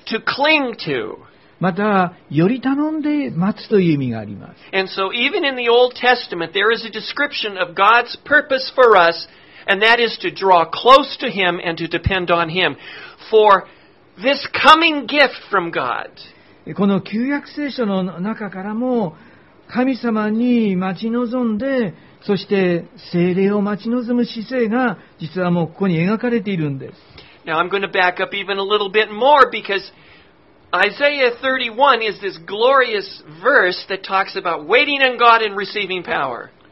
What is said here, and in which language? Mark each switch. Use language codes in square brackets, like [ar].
[en] To cling to. [ja] また、より頼んで待つという意味があります。 [en] And so even in the Old Testament, there is a description of God's purpose for us, and that is to draw close to Him and to depend on Him for this coming gift from God. [ja] この旧約聖書の中からも、神様に待ち望んで、そして聖霊を待ち望む姿勢が、実はもうここに描かれているんです。 [en] Now I'm going to back up even a little bit more because Isaiah 31 is this glorious verse that talks about waiting on God and receiving power.